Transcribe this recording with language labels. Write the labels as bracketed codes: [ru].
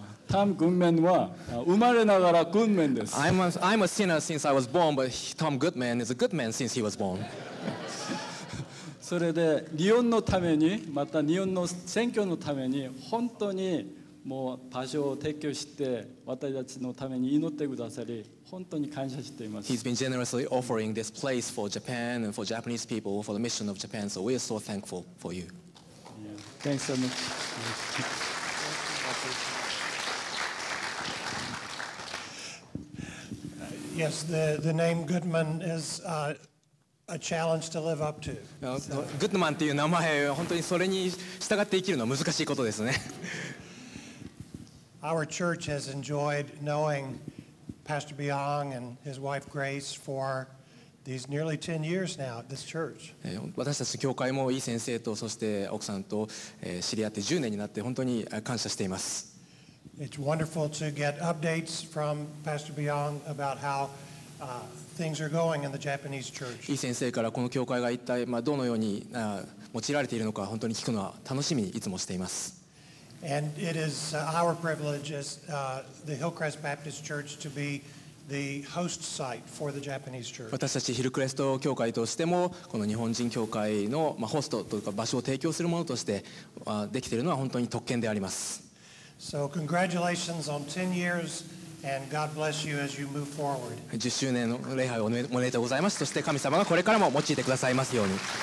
[ja] Tom Goodman は生まれながら Goodman です。 [en] I'm a sinner since I was born, but Tom Goodman is a good man since he was born. [ja] それで日本のためにまた日本の選挙のために本当にもう場所を提供して私たちのために祈ってくださり本当に感謝しています。 [en] He's been generously offering this place for Japan and for Japanese people for the mission of Japan, so we are so thankful for you. Yeah, thanks so much. Yes, the name Goodman is a challenge to live up to. [ja] Goodman という名前は本当にそれに従って生きるのは難しいことですね。 [en] Our church has enjoyed knowing Pastor Byung and his wife Grace for these nearly 10 years now at this church. [ja] 私たち教会もイ先生とそして奥さんと知り合って10年になって本当に感謝しています。 [en] It's wonderful to get updates from Pastor Byung about how things are going in the Japanese church. [ja] イ先生からこの教会が一体どのように用いられているのか本当に聞くのは楽しみにいつもしています。 [en] And it is our privilege as the Hillcrest Baptist Church to be the host site for the Japanese church. [ja] 私たちヒルクレスト教会としてもこの日本人教会のホストというか場所を提供するものとしてできているのは本当に特権であります。 [en] So congratulations on 10 years and God bless you as you move forward. [ja] 10周年の礼拝をおめでとうございます。そして神様がこれからも用いてくださいますように。